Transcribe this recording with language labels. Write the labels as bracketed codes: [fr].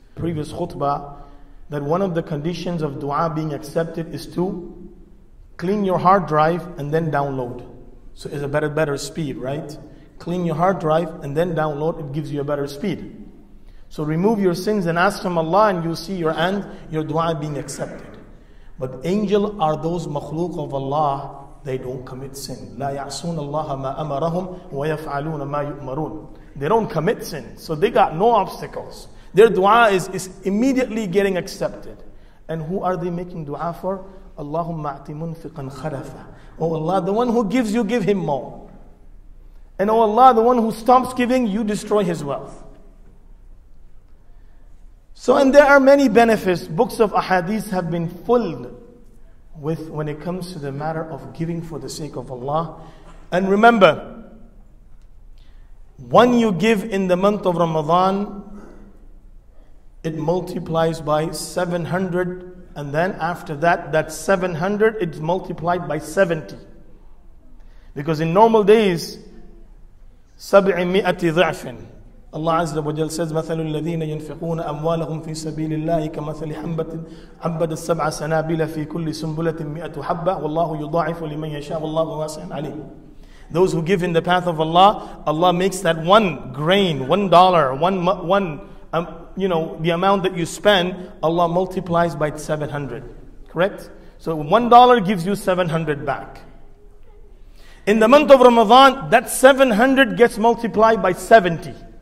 [en] Previous khutbah, that one of the conditions of dua being accepted is to clean your hard drive and then download. So it's a better speed, right? clean your hard drive, and then download, it gives you a better speed. So remove your sins and ask from Allah, and you'll see your end, your dua being accepted. But angels are those makhluq of Allah, they don't commit sin. [ar] لا يعصون الله ما أمرهم ويفعلون ما يؤمرون. [en] They don't commit sin, so they got no obstacles. Their dua is immediately getting accepted. And who are they making dua for? [ar] اللهم أعطي منفقا خلفا. [en] Oh Allah, the one who gives you, give him more. And oh Allah, the one who stops giving, you destroy his wealth. So, and there are many benefits. Books of ahadith have been filled with when it comes to the matter of giving for the sake of Allah. And remember, when you give in the month of Ramadan, it multiplies by 700. And then after that 700, it's multiplied by 70. Because in normal days, [ar] سَبْعِ مِئَةِ ضِعْفٍ. [en] Allah Azza wa Jalla says, [ar] مَثَلُ الَّذِينَ يُنْفِقُونَ أَمْوَالَهُمْ فِي سَبِيلِ اللَّهِ كَمَثَلِ حَبَّةٍ عَبَّدَ السَّبْعَ سَنَابِلَ فِي كُلِّ سُنْبُلَةٍ مِئَةُ حَبَّةٍ وَاللَّهُ يُضَاعِفُ لِمَنْ يَشَاءُ وَاللَّهُ وَاسِعٌ عَلِيمٌ. [en] Those who give in the path of Allah, Allah makes that one grain, $1, the amount that you spend, Allah multiplies by 700. Correct? So $1 gives you 700 back. In the month of Ramadan, that 700 gets multiplied by 70.